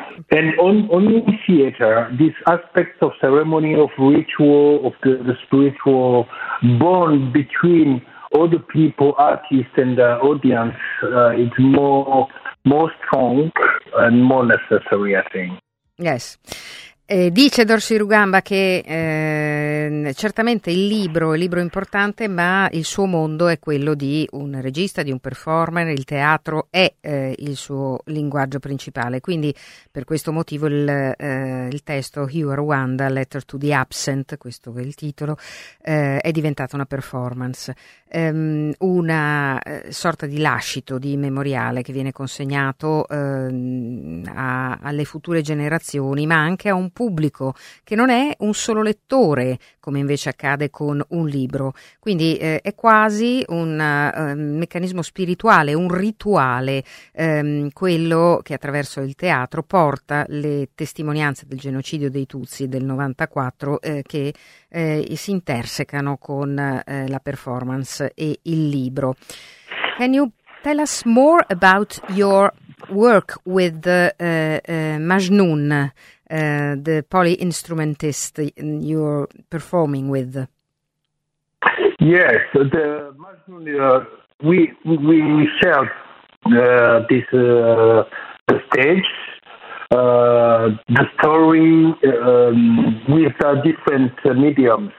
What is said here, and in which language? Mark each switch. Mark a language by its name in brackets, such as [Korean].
[English] And on in theater, these aspects of ceremony, of ritual, of the spiritual bond between all the people, artists, and the audience, it's more strong and more necessary, I think. Yes. [Italian] Dice Dorsi Rugamba che certamente il libro è importante, ma il suo mondo è quello di un regista, di un performer, il teatro è il suo linguaggio principale. Quindi per questo motivo il testo Hugh Rwanda, Letter to the Absent, questo è il titolo, è diventato una performance, una sorta di lascito, di memoriale che viene consegnato alle future generazioni, ma anche a un pubblico che non è un solo lettore, come invece accade con un libro. Quindi è quasi un meccanismo spirituale, un rituale, quello che attraverso il teatro porta le testimonianze del genocidio dei Tutsi del 94 che si intersecano con la performance e il libro. [English] Can you tell us more about your work with Majnun, the polyinstrumentist you're performing with? Yes, the Majnun. We shared this the stage, the story with different mediums.